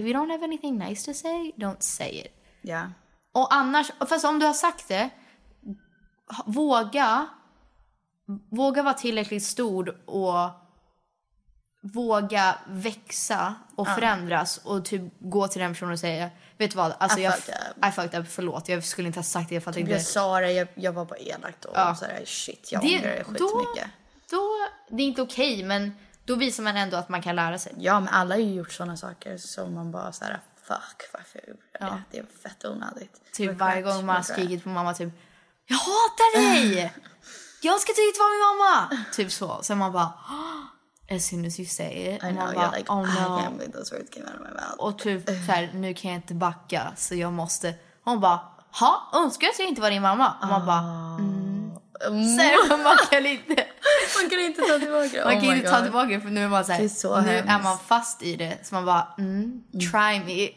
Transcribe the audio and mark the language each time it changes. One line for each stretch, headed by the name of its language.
English: If you don't have anything nice to say, don't say it. Yeah.
Swedish: Och annars, fast om du har sagt det, våga vara tillräckligt stor och våga växa och förändras och typ gå till den personen och säga vet du vad, alltså
English: I fucked up,
Swedish: förlåt, jag skulle inte ha sagt det, jag fattar inte. Jag sa det, jag var bara elak då och så här, shit, jag ångrar det skitmycket. Då, det är inte okej, men då visar man ändå att man kan lära sig. Ja, men alla har ju gjort sådana saker som man bara så här, fuck, varför det är fett onödigt. Typ varje gång man har skrikit på mamma typ jag hatar dig! Jag ska tydligt vara min mamma! Typ så. Sen man bara,
English: as soon as you say it. I know,
Swedish: bara,
English: like, oh no. I can't believe those words came out of my mouth.
Swedish: Och typ, så här, nu kan jag inte backa. Så jag måste... Hon bara, ha? Önskar jag att jag inte var din mamma? Och man bara, så här, man kan inte ta tillbaka. Man kan inte ta tillbaka, för nu är man så här, så nu hemskt. Är man fast i det. Så man bara,
English: try me.